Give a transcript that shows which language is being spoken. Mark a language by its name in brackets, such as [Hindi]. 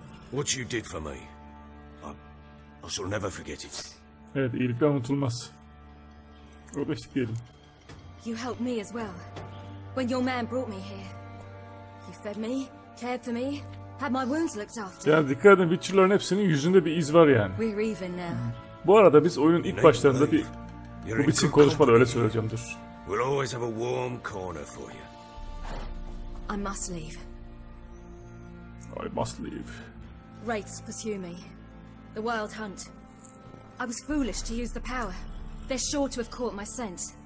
[English] What you did for me, I shall never forget it. [Turkish] Evet, iyilikler unutulmaz. O da işte diyelim. [English] You helped me as well. When your man brought me here, you fed me, cared for me. Had my wounds looked after. [Turkish] Yani dikkat edin, Witcher'ların hepsinin yüzünde bir iz var yani. [English] We're even now. [Turkish] Bu arada biz oyunun ilk başlarında bir bu bitsin konuşmada öyle söyleyeceğim dur. [English] We'll always have a warm corner for you. I must leave. I must leave. Wraiths pursue me. The wild hunt. I was foolish to use the power. They're sure to have caught my scent.